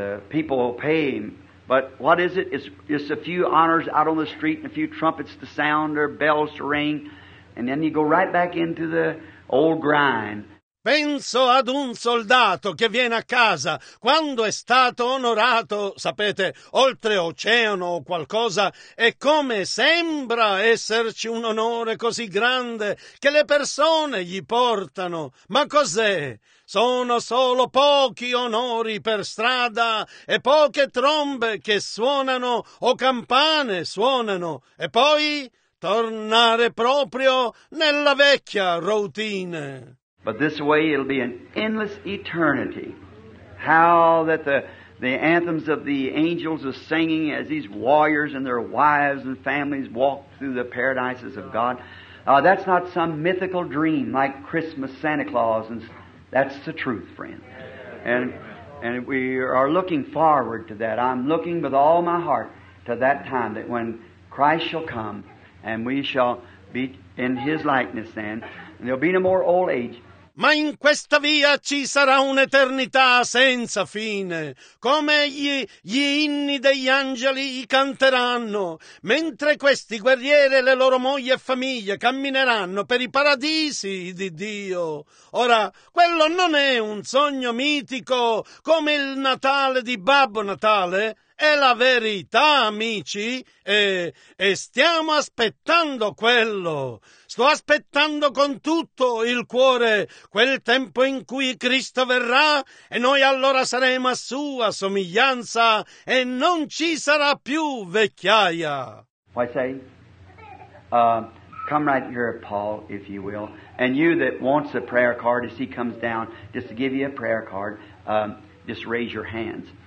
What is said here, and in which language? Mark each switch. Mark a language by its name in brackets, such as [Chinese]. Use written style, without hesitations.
[English] People will pay him. But what is it? It's just a few honors out on the street and a few trumpets to sound or bells to ring, and then you go right back into the old grind. [Italian] Penso ad un soldato che viene a casa quando è stato onorato, sapete, oltre oceano o qualcosa, e come sembra esserci un onore così grande che le persone gli portano. Ma cos'è? Sono solo pochi onori per strada e poche trombe che suonano o campane suonano. E poi tornare proprio nella vecchia routine. [English] But this way it'll be an endless eternity. How that the anthems of the angels are singing as these warriors and their wives and families walk through the paradises of God. That's not some mythical dream like Christmas, Santa Claus. And that's the truth, friend. And we are looking forward to that. I'm looking with all my heart to that time that when Christ shall come and we shall be in His likeness then, and there'll be no more old age. [Italian] Ma in questa via ci sarà un'eternità senza fine, come gli inni degli angeli canteranno, mentre questi guerrieri e le loro mogli e famiglie cammineranno per i paradisi di Dio. Ora, quello non è un sogno mitico come il Natale di Babbo Natale? È la verità, amici, e stiamo aspettando quello. Sto aspettando con tutto il cuore quel tempo in cui Cristo verrà e noi allora saremo a sua somiglianza e non ci sarà più vecchiaia. [English] Why say? Come right here, Paul, if you will. And you that wants a prayer card as he comes down, just to give you a prayer card, just raise your hands.